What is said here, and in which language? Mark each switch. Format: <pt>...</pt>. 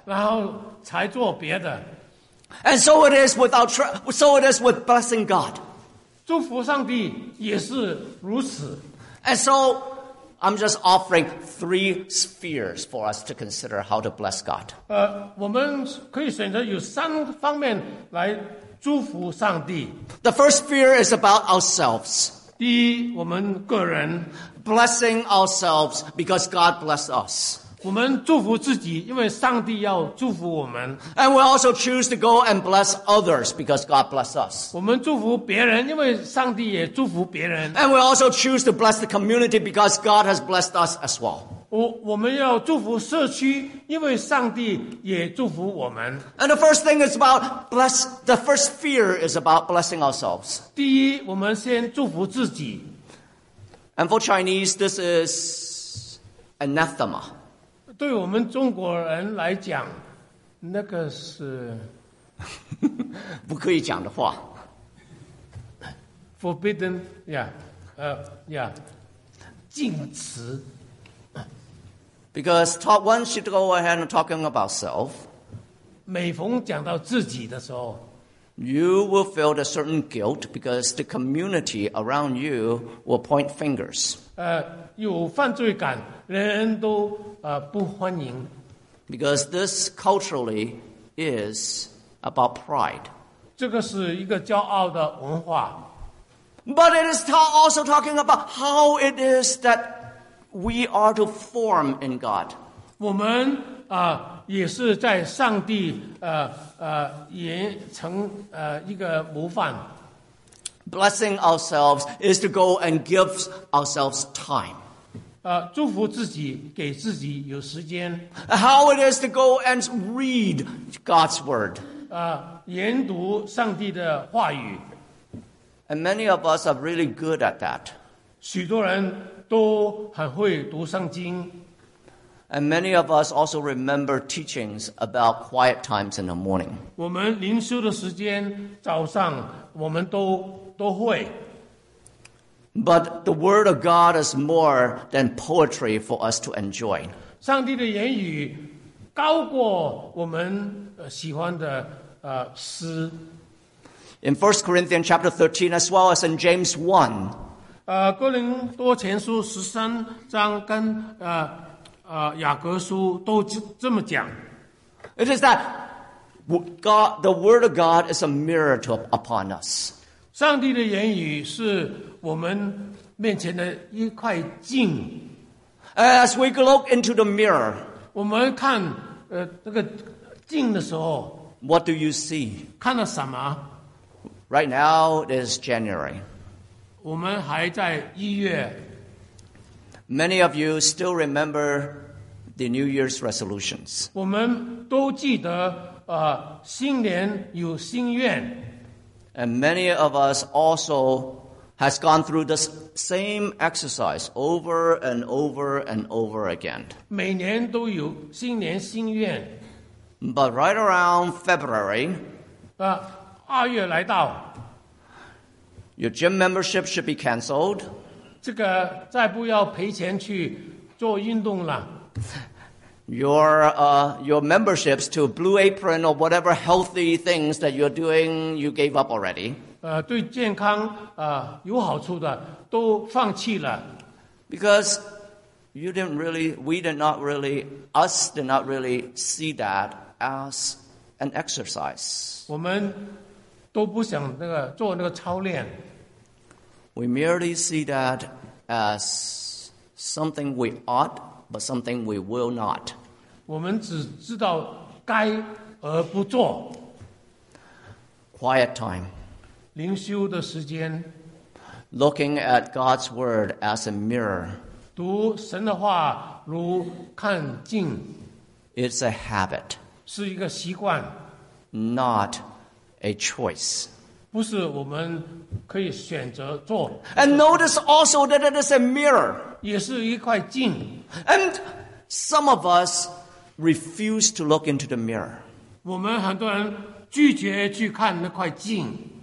<zh>然后才做别的。</zh> <en>And so it is with our so it is with blessing God.</en> <zh>祝福上帝也是如此。</zh> <en>And so I'm just offering three spheres for us to consider how to bless God.</en> <zh>我们可以选择有三方面来祝福上帝。</zh> <en>The first sphere is about ourselves.</en> <zh>第一，我们个人。</zh> <en>Blessing ourselves because God blessed us.</en> <zh>我们祝福自己，因为上帝要祝福我们。</zh> <en>And we also choose to go and bless others because God blessed us.</en> <zh>我们祝福别人，因为上帝也祝福别人。</zh> <en>And we also choose to bless the community because God has blessed us as well.</en> <zh>我们要祝福社区，因为上帝也祝福我们。</zh> <en>And the first thing is about bless. The first fear is about blessing ourselves.</en> <zh>第一，我们先祝福自己。</zh> <en>And for Chinese, this is anathema.</en> <zh>对我们中国人来讲，那个是不可以讲的话。</zh> <en>Forbidden, yeah, yeah,</en> <zh>禁词。</zh> <en>Because talk one should go ahead and talking about self.</en> <zh>每逢讲到自己的时候。</zh> <en>You will feel a certain guilt because the community around you will point fingers.</en> <zh>有犯罪感，人人都不欢迎。</zh> <en>Because this culturally is about pride.</en> <zh>这个是一个骄傲的文化。</zh> <en>But it is also talking about how it is that we are to form in God.</en> <zh>我们也是在上帝也成一个模范。</zh> <en>Blessing ourselves is to go and give ourselves time.</en> <zh>祝福自己，给自己有时间。</zh> <en>How it is to go and read God's word.</en> <zh>研读上帝的话语。</zh> <en>And many of us are really good at that.</en> <zh>许多人都很会读圣经。</zh> <en>And many of us also remember teachings about quiet times in the morning.</en> <zh>我们灵修的时间，早上我们都会。</zh> <en>But the word of God is more than poetry for us to enjoy.</en> <zh>上帝的言语高过我们喜欢的诗。</zh> <en>In 1 Corinthians chapter 13 as well as in James 1.</en> <zh>哥林多前书十三章跟雅各书都这么讲。</zh> <en>It is that God, the word of God is a mirror upon us.</en> <zh>上帝的言语是我们面前的一块镜。</zh> <en>As we look into the mirror,</en> <zh>我们看这个镜的时候，</zh> <en>What do you see?</en> <zh>看了什么？</zh> <en>Right now it is January.</en> <zh>我们还在一月。</zh> <en>Many of you still remember the New Year's resolutions.</en> <zh>我们都记得新年有心愿。</zh> <en>And many of us also has gone through this same exercise over and over and over again.</en> <zh>每年都有新年心愿。</zh> <en>But right around February,</en> <zh>二月来到，</zh> <en>your gym membership should be canceled.</en> <zh>这个再不要赔钱去做运动了。</zh> <en>Your memberships to Blue Apron or whatever healthy things that you're doing, you gave up already.</en> <zh>对健康有好处的都放弃了。</zh> <en>Because you didn't really, we did not really, us did not really see that as an exercise.</en> <zh>我们都不想那个做那个操练。</zh> <en>We merely see that as something we ought, but something we will not.</en> <zh>我们只知道该而不做。</zh> <en>Quiet time.</en> <zh>灵修的时间。</zh> <en>Looking at God's word as a mirror.</en> <zh>读神的话如看镜。</zh> <en>It's a habit.</en> <zh>是一个习惯。</zh> <en>Not a choice.</en> <zh>不是我们可以选择做。</zh> <en>And notice also that it is a mirror.</en> <zh>也是一块镜。</zh> <en>And some of us refuse to look into the mirror.</en> <zh>我们很多人拒绝去看那块镜。</zh>